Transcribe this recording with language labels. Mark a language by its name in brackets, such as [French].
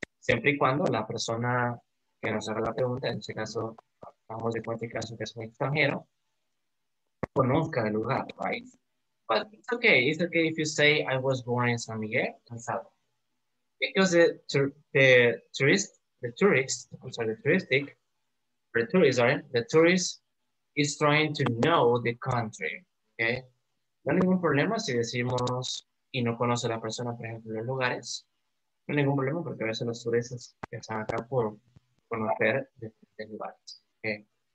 [Spanish] Siempre y cuando la persona que nos haga la pregunta, en este caso, vamos de cuenta caso que es un extranjero, conozca el lugar, right? [English] But it's okay if you say I was born in San Miguel, El Salvador. Because the tourist is trying to know the country, okay? [Spanish] No hay ningún problema si decimos y no conoce a la persona, por ejemplo, los lugares. No hay ningún problema porque a veces los turistas están acá por conocer de lugares, okay?